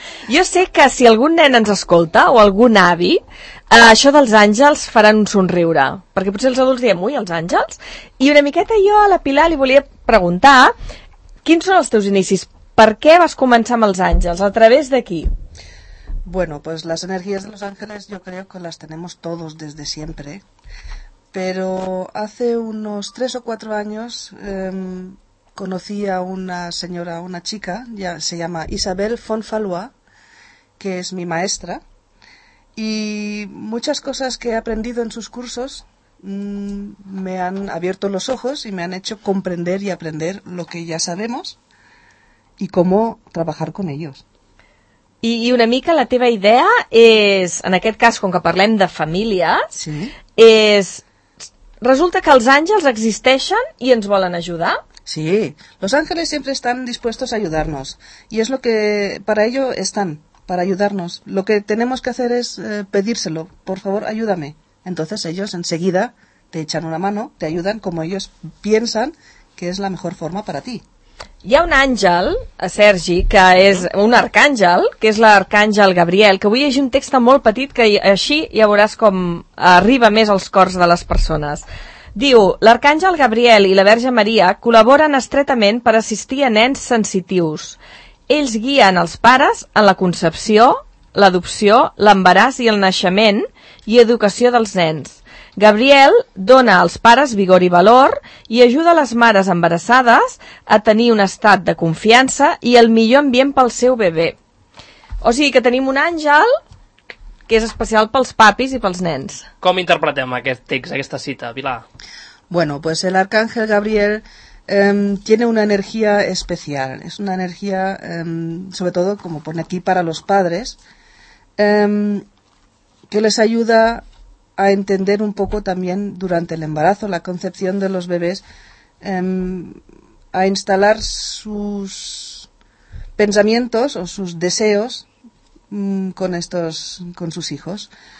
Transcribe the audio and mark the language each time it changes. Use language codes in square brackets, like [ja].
[ca] Jo sé que si algun nen ens escolta, o algun avi, això dels àngels faran un somriure. Perquè potser els adults diem, ui, els àngels? I una miqueta jo a la Pilar li volia preguntar, quins són els teus inicis? Per què vas començar amb els àngels? A través de qui? [es] Bueno, pues las energías de los ángeles yo creo que las tenemos todos desde siempre, pero hace unos 3 o 4 años conocí a una señora, una chica, ya se llama Isabel von Falois, que es mi maestra, y muchas cosas que he aprendido en sus cursos me han abierto los ojos y me han hecho comprender y aprender lo que ya sabemos y cómo trabajar con ellos. [ca] I una mica la teva idea és, en aquest cas, com que parlem de família, sí. És, resulta que els àngels existeixen i ens volen ajudar? [es] Sí, los ángeles siempre están dispuestos a ayudarnos, y es lo que para ello están, para ayudarnos. Lo que tenemos que hacer es pedírselo, por favor, ayúdame. Entonces ellos enseguida te echan una mano, te ayudan como ellos piensan que es la mejor forma para ti. [ca] Hi ha un àngel, Sergi, que és un arcàngel, que és l'arcàngel Gabriel, que avui és un text molt petit que així ja veuràs com arriba més als cors de les persones. Diu, l'arcàngel Gabriel i la Verge Maria col·laboren estretament per assistir a nens sensitius. Ells guien els pares en la concepció, l'adopció, l'embaràs i el naixement i educació dels nens. Gabriel dona als pares vigor i valor i ajuda les mares embarassades a tenir un estat de confiança i el millor ambient pel seu bebè. O sigui que tenim un àngel que és especial pels papis i pels nens. Com interpretem aquest text, aquesta cita, Pilar? [es] Bueno, pues el arcángel Gabriel tiene una energía especial. Es una energía, sobre todo, como pone aquí, para los padres, que les ayuda a entender un poco también durante el embarazo, la concepción de los bebés, a instalar sus pensamientos o sus deseos con sus hijos.